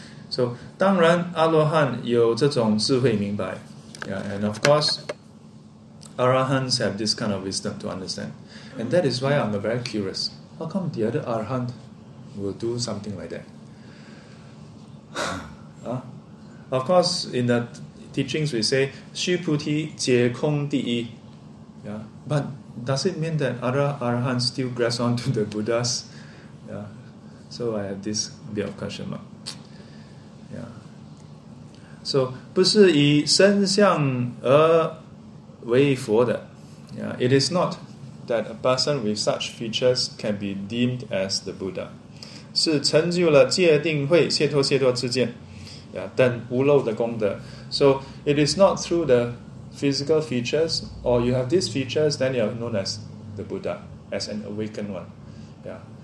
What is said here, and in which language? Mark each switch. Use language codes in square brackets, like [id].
[zh] So, 当然阿罗汉有这种智慧明白。 [en] Yeah? And of course, Arahants have this kind of wisdom to understand. And that is why I'm very curious. How come the other Arahant will do something like that? Of course, in that teachings we say, [zh] Shi Puti Jie Kong Di Yi. [en] But does it mean that other Arahants still grasp onto the Buddhas? Yeah. So I have this bit of question mark. Yeah. [zh] So, 不是以身相而为佛的. [en] Yeah. It is not that a person with such features can be deemed as the Buddha. [zh] 是成就了戒定慧解脱解脱之见.Yeah. 等无漏的功德. [en] So, it is not through the physical features, or you have these features, then you are known as the Buddha, as an awakened one. Yeah.